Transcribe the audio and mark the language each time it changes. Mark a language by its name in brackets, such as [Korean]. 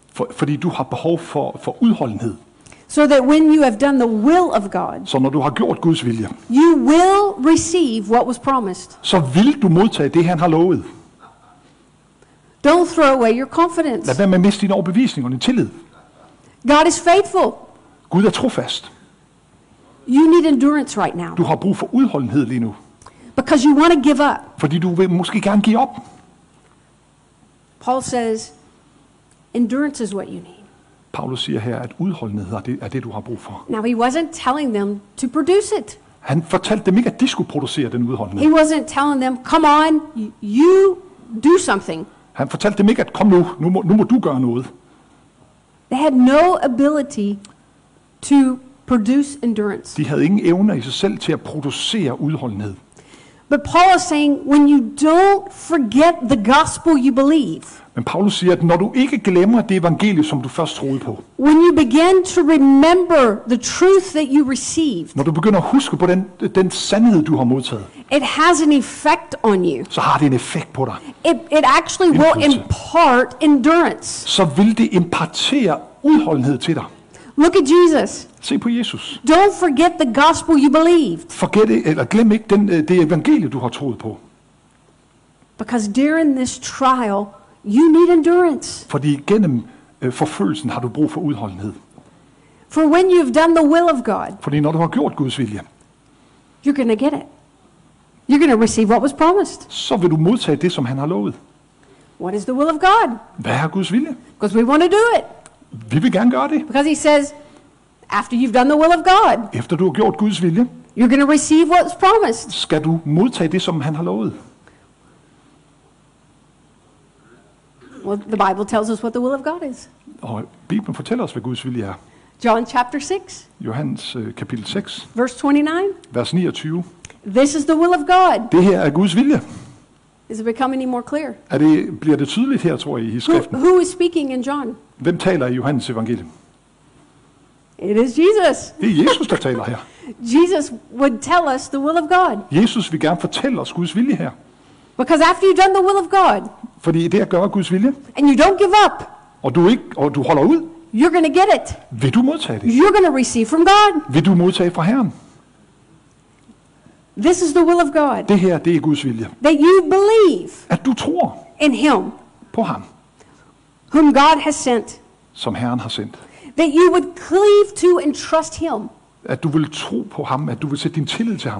[Danish] Fordi du har behov for udholdenhed. [English] So that when you have done the will of God. [Danish] Så når du har gjort Guds vilje. [English] You will receive what was promised. [Danish] Så vil du modtage det, han har lovet. [English] Don't throw away your confidence. [Danish] Lad være med at miste din overbevisning og din tillid. [English] God is faithful. [Danish] Gud er trofast. [English] You need endurance right now. [Danish] Du har brug for udholdenhed lige nu. [English] Because you want to give up. [Danish] Fordi du vil måske gerne give op. [English] Paul says, endurance is what you need. [Danish] Paulus siger her, at udholdenhed er det du har brug for. [English] Now he wasn't telling them to produce it. [Danish] Han fortalte dem ikke, at de skulle producere den udholdenhed. [English] He wasn't telling them, come on, you do something. [Danish] Han fortalte dem ikke, at kom nu må du gøre noget. [English] They had no ability to produce endurance. [Danish] De havde ingen evner i sig selv til at producere udholdenhed. [English] But Paul is saying, when you don't forget the gospel you believe. [Danish] Men Paulus siger, at når du ikke glemmer det evangelie, som du først troede på. [English] When you begin to remember the truth that you received. [Danish] Når du begynder at huske på den sandhed, du har modtaget. [English] It has an effect on you. [Danish] Så har det en effekt på dig. [English] It actually will impart endurance. [Danish] Så vil det impartere udholdenhed til dig. [English] Look at Jesus. [Danish] Se på Jesus. [English] Don't forget the gospel you believed. Forget [Danish] det, eller glem ikke det evangelie, du har troet på. [English] Because during this trial, you need endurance. [Danish] Fordi gennem forfølgelsen har du brug for udholdenhed. [English] For when you've done the will of God. [Danish] Fordi når du har gjort Guds vilje. [English] You're going to get it. You're going to receive what was promised. [Danish] Så vil du modtage det, som han har lovet. [English] What is the will of God? [Danish] Hvad er Guds vilje? [English] Because we want to do it. [Danish] Vi vil gerne gøre det. [English] Because he says, after you've done the will of God. [Danish] Efter du har gjort Guds vilje. [English] You're going to receive what's promised. [Danish] Skal du modtage det, som han har lovet. [English] Well, the Bible tells us what the will of God is. [Danish] Og Bibelen fortæller os, hvad Guds vilje er. [English] John chapter 6. [Danish] Johannes kapitel 6. [English] Verse 29. [Danish] Vers 29. [English] This is the will of God. [Danish] Det her er Guds vilje. [English] Is it becoming any more clear? [Danish] Bliver det tydeligt her, tror I skriften? [English] Who is speaking in John? [Danish] Hvem taler i Johannes evangelium? [English] It is Jesus. [Danish] Det er Jesus, der taler her. [English] Jesus would tell us the will of God. [Danish] Jesus vil gerne fortælle os Guds vilje her. [English] Because after you've done the will of God. [Danish] Fordi det at gøre Guds vilje. [English] And you don't give up. [Danish] Og du holder ud. [English] You're going to get it. [Danish] Vil du modtage det? [English] You're going to receive from God. [Danish] Vil du modtage fra Herren? [English] This is the will of God. [Danish] Det her, det er Guds vilje. [English] That you believe. [Danish] At du tror. [English] In him. [Danish] På ham. [English] Whom God has sent. [Danish] Som Herren har sendt. [English] That you would cleave to and trust him. [Danish] At du vil tro på ham, at du vil sætte din tillid til ham.